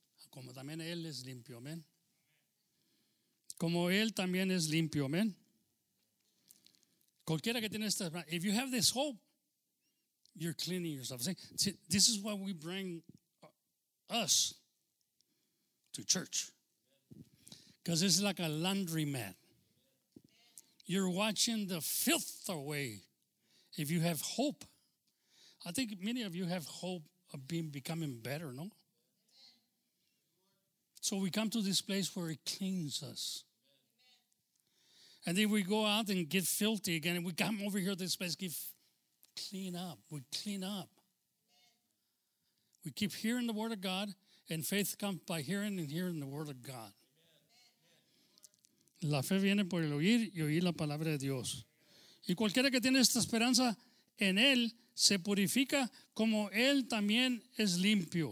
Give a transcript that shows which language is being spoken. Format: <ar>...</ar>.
<es>Como también él es limpio, amén. Como él también es limpio, amén. Cualquiera que tiene esta esperanza.</es> <en>If you have this hope, you're cleaning yourself. See, this is why we bring us to church. Because it's like a laundromat. You're watching the filth away. If you have hope, I think many of you have hope of becoming better, no? So we come to this place where it cleans us. And then we go out and get filthy again. And we come over here to this place, get clean up. We clean up. Amen. We keep hearing the word of God. And faith comes by hearing and hearing the word of God. Amen.</en> <es>La fe viene por el oír y oír la palabra de Dios. Y cualquiera que tiene esta esperanza en él se purifica como él también es limpio.</es>